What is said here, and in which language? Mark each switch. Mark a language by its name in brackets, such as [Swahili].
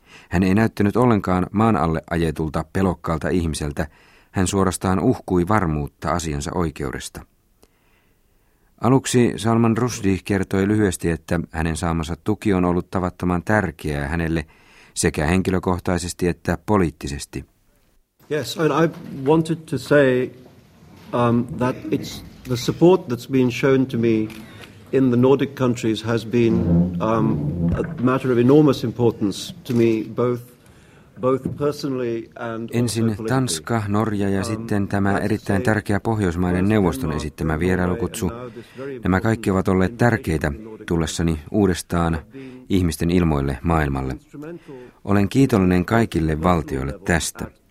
[Finnish] Hän ei näyttänyt ollenkaan maan alle ajetulta pelokkaalta ihmiseltä. Hän suorastaan uhkui varmuutta asiansa oikeudesta. Aluksi Salman Rushdie kertoi lyhyesti, että hänen saamansa tuki on ollut tavattoman tärkeää hänelle sekä henkilökohtaisesti että poliittisesti. [English] Yes, and I wanted to say that it's the support that's been shown to me in the Nordic countries has been a matter of enormous importance to me both personally and [Finnish] ensin Tanska, Norja ja sitten tämä erittäin tärkeä Pohjoismaiden neuvoston esittämä vierailukutsu. Nämä kaikki ovat olleet tärkeitä tullessani uudestaan ihmisten ilmoille maailmalle. Olen kiitollinen kaikille valtioille tästä.